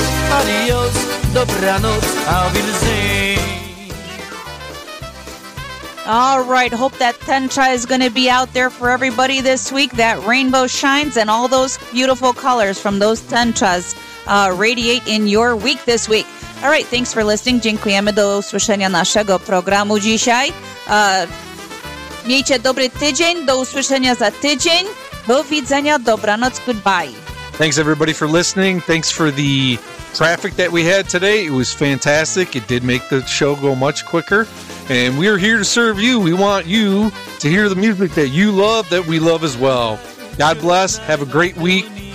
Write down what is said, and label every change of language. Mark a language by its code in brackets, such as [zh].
[en] Adios, dobranoc, I'll be the same. All right, hope that Tencha is going to be out there for everybody this week. That rainbow shines and all those beautiful colors from those Tenchas radiate in your week this week. All right, thanks for listening. [pl] Dziękujemy do usłyszenia naszego programu dzisiaj. Miejcie dobry tydzień, do usłyszenia za tydzień. Do widzenia, dobranoc, goodbye. [en] Thanks, everybody, for listening. Thanks for the traffic that we had today. It was fantastic. It did make the show go much quicker. And we're here to serve you. We want you to hear the music that you love, that we love as well. God bless. Have a great week.